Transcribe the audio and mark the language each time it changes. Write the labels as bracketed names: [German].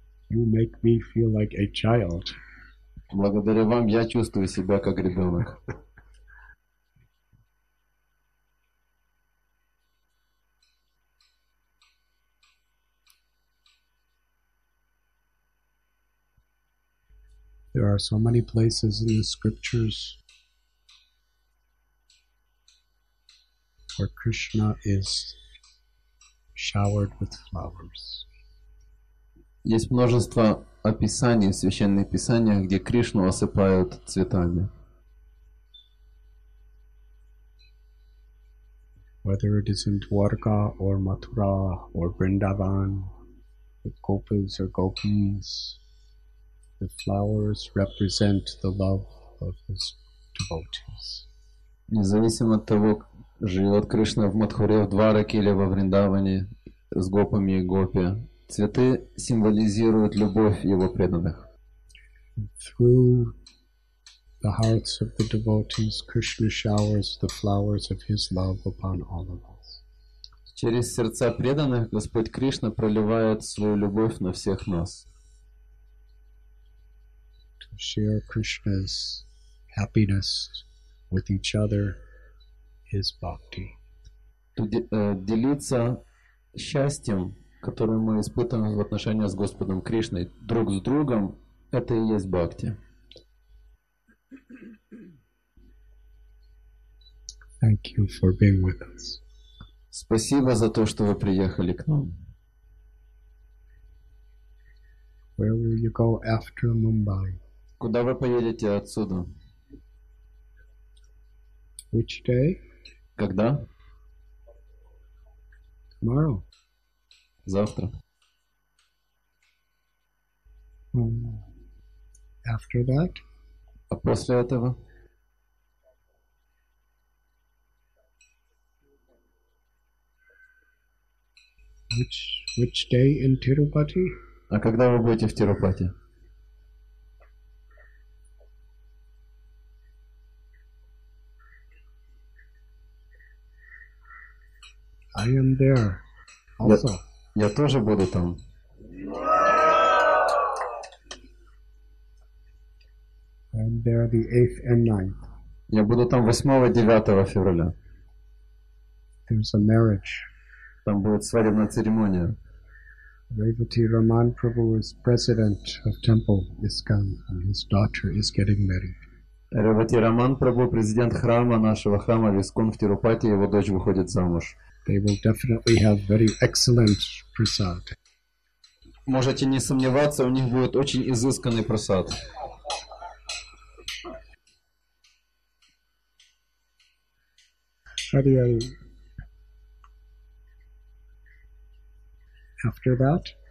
[English] You make me feel like a child. [Russian] Благодаря вам я чувствую себя как ребенок. [English] There are so many places in the scriptures where Krishna is showered with flowers. [Russian] Есть множество описаний в священных писаниях, где Кришну осыпают цветами. [English] Whether it is in Dwarka or Mathura or Vrindavan, the gopis or gopis, the flowers represent the love of his devotees. [Russian] Независимо от того, живет Кришна в Матхуре, в Двараке или во Вриндаване с гопами и гопи, цветы символизируют любовь его преданных. [English] Through the hearts of the devotees, Krishna showers the flowers of his love upon all of us. [Russian] Через сердца преданных Господь Кришна проливает свою любовь на всех нас. [English] Share Krishna's happiness with each other is bhakti. [Russian] Делиться счастьем, которое мы испытываем в отношении с Господом Кришной, друг с другом, это и есть бхакти. [English] Thank you for being with us. [Russian] Спасибо за то, что вы приехали к нам. [English] Where will you go after Mumbai? [Russian] Куда вы поедете отсюда? [English] Which day? [Russian] Когда? [English] Tomorrow. [Russian] Завтра. [English] After that? [Russian] А после этого? [English] Which day in Tirupati? [Russian] А когда вы будете в Тирупати? [English] I am there also. [Russian] Я тоже буду там. [English] I'm there the 8th and 9th. [Russian] Я буду там 8-9 февраля. [English] There's a marriage. [Russian] Там будет свадебная церемония. [English] Revati Raman Prabhu is president of Temple ISKCON and his daughter is getting married. [Russian] Revati Raman Prabhu, президент храма нашего храма ISKCON в Тирупати, его дочь выходит замуж. [English] They will definitely have very excellent prasad. [Russian] Можете не сомневаться, у них будет очень изысканный просад. [English] After that?